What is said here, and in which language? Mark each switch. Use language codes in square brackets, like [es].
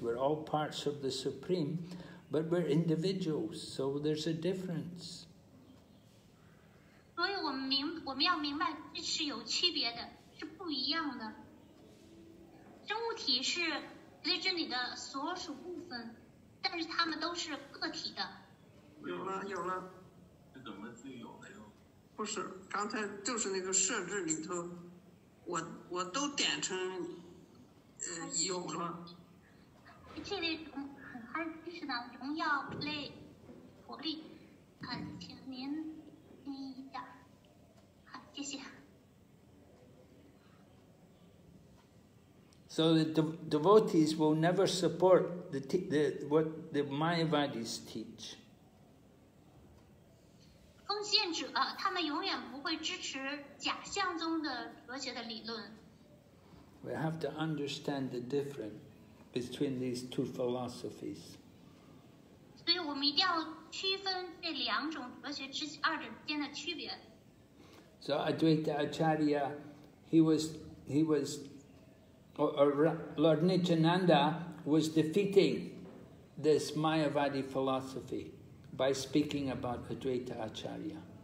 [en] We're all parts of the Supreme, but we're individuals. So there's a difference. [zh] 所以我们要明白，这是有区别的，是不一样的。生物体是绝对真理的所属部分，但是它们都是个体的。有了，这怎么就有了又？不是，刚才就是那个设置里头，我都点成，有了。这里还是知道荣耀 play 活力，请您听一下，好，谢谢。 [en] So the devotees will never support what the Mayavadis teach. [zh] 奉献者，他们永远不会支持假象宗的哲学的理论。 [en] We have to understand the difference. between these two philosophies. [zh] 所以我们一定要区分这两种哲学之二者之间的区别。 [en] So Advaita Acharya, Lord Nityananda was defeating this Mayavadi philosophy by speaking about Advaita Acharya.